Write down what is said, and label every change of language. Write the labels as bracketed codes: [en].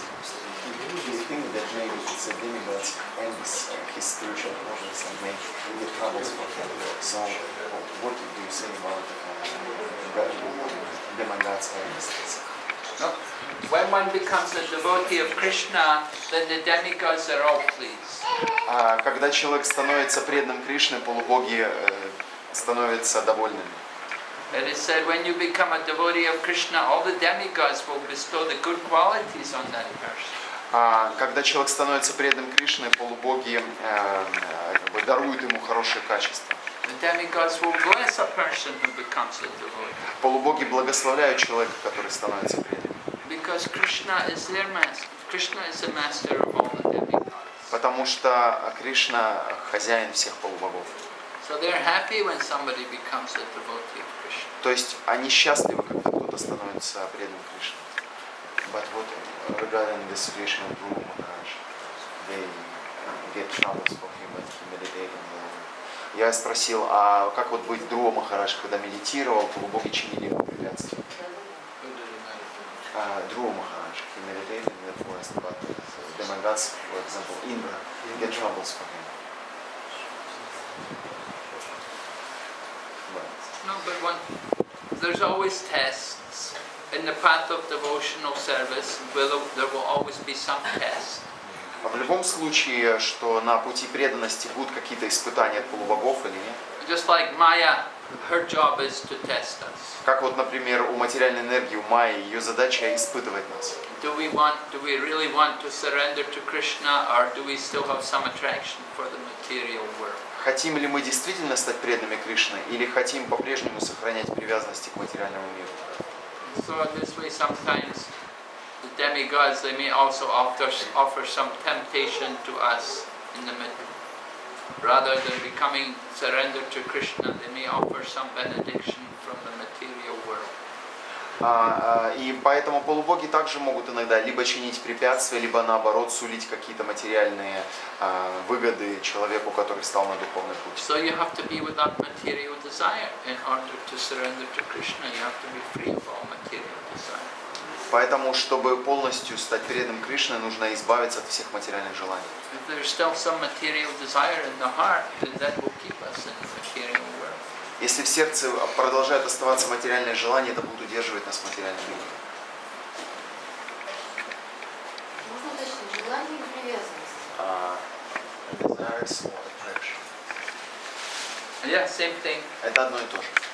[en] He think that maybe it's a demigod and his spiritual problems and make the troubles for him. So what do you say about when one becomes a devotee of Krishna, then the demigods are all pleased. [ru] Когда человек становится преданным Кришне, полубоги становятся довольными. [en] It is said when you become a devotee of Krishna, all the demigods will bestow the good qualities on that person. [ru] Когда человек становится преданным Кришне, полубоги даруют ему хорошие качества. [en] demigods will bless a person who becomes a devotee. [ru] Полубоги благословляют человека, который становится преданным. [en] Because Krishna is their master. Krishna is the master of all the demigods. [ru] Потому что Кришна хозяин всех полубогов. [en] So they are happy when somebody becomes a devotee of Krishna. [ru] То есть они счастливы, когда кто-то становится преданным Кришне. [en] But what regarding this Krishna Guru Maharaj, they get troubles for him when he meditated. [ru] Я спросил, а как вот быть Друва Махарадж, когда медитировал, полубоги чинили ему препятствия? [en] Друва Махарадж, he meditated in the forest, but the demigods, for example, Indra, get troubles for him. No, but one, there's always tests. In the path of devotional service, there will always be some tests. [ru] А в любом случае, что на пути преданности будут какие-то испытания от полубогов или нет? [en] Just like Maya, her job is to test us. [ru] Как вот, например, у материальной энергии, у Майи, ее задача испытывать нас. [en] Do we really want to surrender to Krishna, or do we still have some attraction for the material world? [ru] Хотим ли мы действительно стать преданными Кришне, или хотим по-прежнему сохранять привязанности к материальному миру? [en] So this way sometimes the demigods, they may also offer some temptation to us in the middle. Rather than becoming surrendered to Krishna, they may offer some benediction from the material world. [ru] И поэтому полубоги также могут иногда либо чинить препятствия, либо наоборот сулить какие-то материальные выгоды человеку, который стал на духовный путь. [en] So you have to be without material desire in order to surrender to Krishna. You have to be free of all material desire. [ru] Поэтому, чтобы полностью стать преданным Кришне, нужно избавиться от всех материальных желаний. [en] If there is still some material desire in the heart, then that will keep us in the material world. [ru] Если в сердце продолжает оставаться материальное желание, это будет удерживать нас в материальном мире. Можно уточнить, желание или привязанность? [en] Yeah, same thing. [ru] Это одно и то же.